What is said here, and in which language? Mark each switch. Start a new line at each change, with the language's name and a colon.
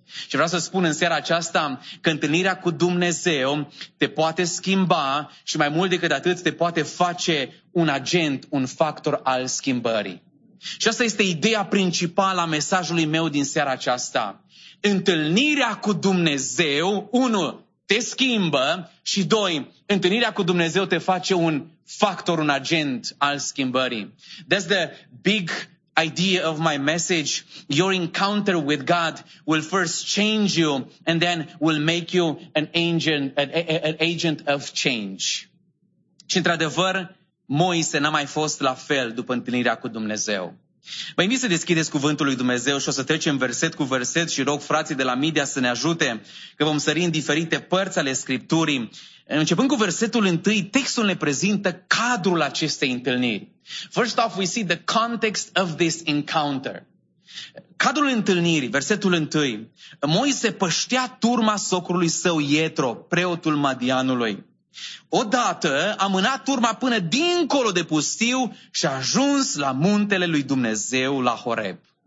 Romanian: Și vreau să spun în seara aceasta că întâlnirea cu Dumnezeu te poate schimba și mai mult decât atât te poate face un agent, un factor al schimbării. Și asta este ideea principală a mesajului meu din seara aceasta. Întâlnirea cu Dumnezeu, unu, te schimbă și doi, întâlnirea cu Dumnezeu te face un factor, un agent al schimbării.
English: That's the big idea of my message. Your encounter with God will first change you and then will make you an agent of change.
Romanian: Și într-adevăr, Moise n-a mai fost la fel după întâlnirea cu Dumnezeu. Vă invit să deschideți cuvântul lui Dumnezeu și o să trecem verset cu verset și rog frații de la media să ne ajute că vom sări în diferite părți ale Scripturii. Începând cu versetul 1, textul ne prezintă cadrul acestei întâlniri.
English: First off, we see the context of this encounter.
Romanian: Cadrul întâlnirii, versetul 1, Moise păștea turma socrului său Ietro, preotul Madianului. Odată a mânat turma până dincolo de pustiu și a ajuns la muntele lui Dumnezeu, la Horeb.